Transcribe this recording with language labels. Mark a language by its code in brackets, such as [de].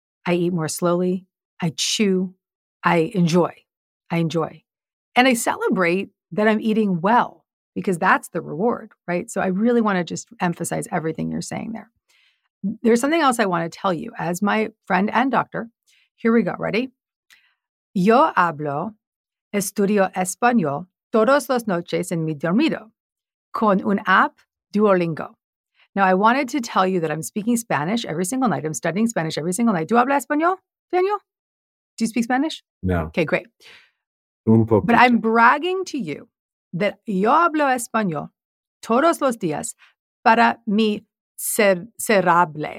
[en] I eat more slowly. I chew. I enjoy. And I celebrate that I'm eating well, because that's the reward, right? So I really want to just emphasize everything you're saying there. There's something else I want to tell you as my friend and doctor. Here we go. Ready? [es] Yo hablo. Estudio español todos los noches en mi dormido con un app Duolingo. [en] Now, I wanted to tell you that I'm speaking Spanish every single night. I'm studying Spanish every single night. Do you [es] habla español, [en] Daniel? Do you speak Spanish? No. Okay, great. [es] Un poquito. [en] But I'm bragging to you that [es] yo hablo español todos los días para mi cerebro.